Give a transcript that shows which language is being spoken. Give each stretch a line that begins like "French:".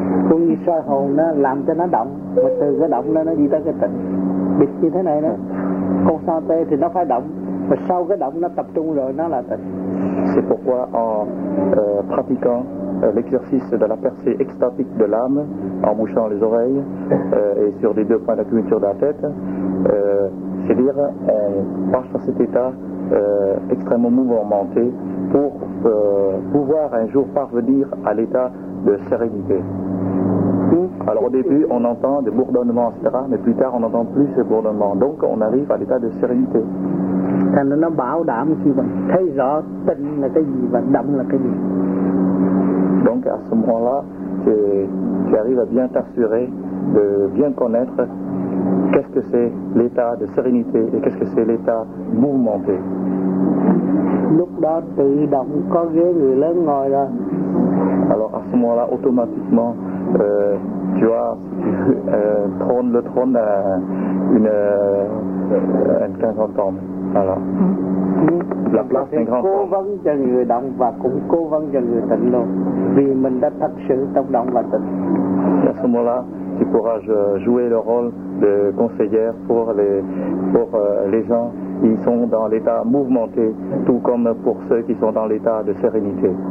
Vietnamese: Cứ như soi hồn nó làm cho nó động, mà từ cái động nó đi tới cái tịnh. Biết như thế này đó. Con sa tê thì nó phải động, mà sau cái động nó tập trung rồi nó là tịnh.
French: C'est pourquoi en pratiquant l'exercice de la percée extatique de l'âme, en bouchant les oreilles et sur les deux points d'acupuncture de la tête, c'est-à-dire on marche dans cet état extrêmement mouvementé pour pouvoir un jour parvenir à l'état de sérénité. Alors au début on entend des bourdonnements, etc., mais plus tard on n'entend plus ces bourdonnements, donc on arrive à l'état de sérénité.
Vietnamese: Thành ra nó bảo đảm khi mình thấy rõ tịnh là cái gì và động là cái gì.
French: Donc à ce moment-là, tu arrives à bien t'assurer de bien connaître qu'est-ce que c'est l'état de sérénité et qu'est-ce que c'est l'état mouvementé.
Vietnamese: Lúc đó tự động có ghế người lớn ngồi rồi.
French: Alors à ce moment-là, automatiquement, tu as un grand homme. Voilà. La place d'un grand
Vietnamese: Cố vấn cho người động và cũng cố vấn cho người tịnh luôn. Vì mình đã thật sự trong động và tịnh.
French: À ce moment-là, tu pourras jouer le rôle de conseillère pour les gens qui sont dans l'état mouvementé, tout comme pour ceux qui sont dans l'état de sérénité.